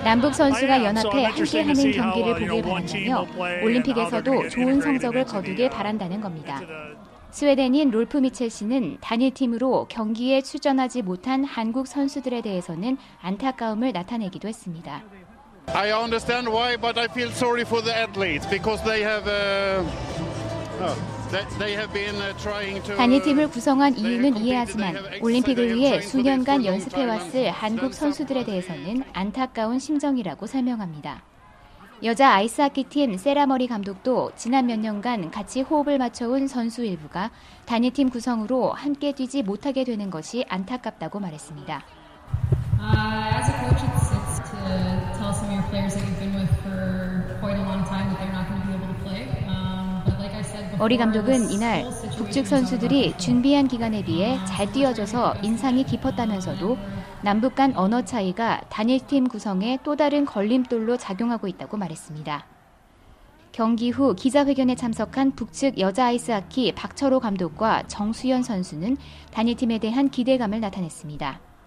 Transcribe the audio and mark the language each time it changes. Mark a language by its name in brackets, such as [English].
[Korean] 남북 선수가 연합해 함께하는 경기를 보길 바란다며 올림픽에서도 좋은 성적을 거두길 바란다는 겁니다. 스웨덴인 롤프 미첼씨는 단일팀으로 경기에 출전하지 못한 한국 선수들에 대해서는 안타까움을 나타내기도 했습니다. [English] I understand why, but I feel sorry for the athletes because they have they have been trying to. [Korean] 단일팀을 구성한 이유는 이해하지만 올림픽을 위해 수년간 연습해왔을 한국 선수들에 대해서는 안타까운 심정이라고 설명합니다. 여자 아이스하키팀 세라머리 감독도 지난 몇 년간 같이 호흡을 맞춰온 선수 일부가 단일팀 구성으로 함께 뛰지 못하게 되는 것이 안타깝다고 말했습니다. [English] As a coach, it's to tell some of your players that you've been with for quite a long time that they're not going to be able to play. [Korean] 어리 감독은 이날 북측 선수들이 준비한 기간에 비해 잘 뛰어져서 인상이 깊었다면서도 남북 간 언어 차이가 단일팀 구성에 또 다른 걸림돌로 작용하고 있다고 말했습니다. 경기 후 기자회견에 참석한 북측 여자 아이스하키 박철호 감독과 정수연 선수는 단일팀에 대한 기대감을 나타냈습니다.